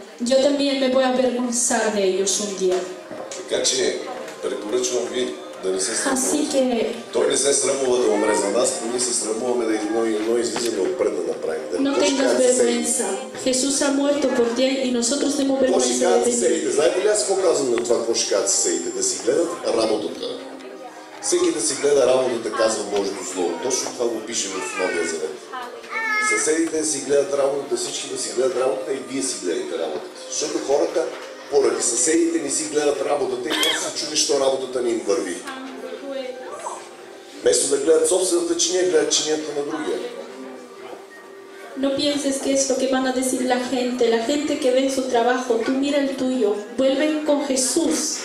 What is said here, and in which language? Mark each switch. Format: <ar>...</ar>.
<es>Yo también me voy a avergonzar de ellos un día.</es> <bg>Така че, препоръчвам ви да не се страмуват.</bg> <es>Así que...</es> <bg>Той не се страмува да умре за нас, но ние се страмуваме да едно излизаме отпред да направим. Да</bg> <es>не tengas vergüenza. Jesús ha muerto por ti и nosotros tenemos vergüenza de ti.</es> <bg>Знаете ли аз какво казвам на това, какво ще кажат сесеите? Да си гледат работата. Всеки да си гледа работата, казва Божието Слово. Точно това го пише в Новия Завет. Съседите си гледат работата, всички да си гледат работата и вие си гледате работата. Защото хората поради съседите не си гледат работата и не се чуди, що работата не им върви. Вместо да гледат собствената чиния, гледат чинията на другия.</bg> <es>No pienses que es lo que van a decir la gente que ve su trabajo, tú mira el tuyo, vuelven con Jesús.</es>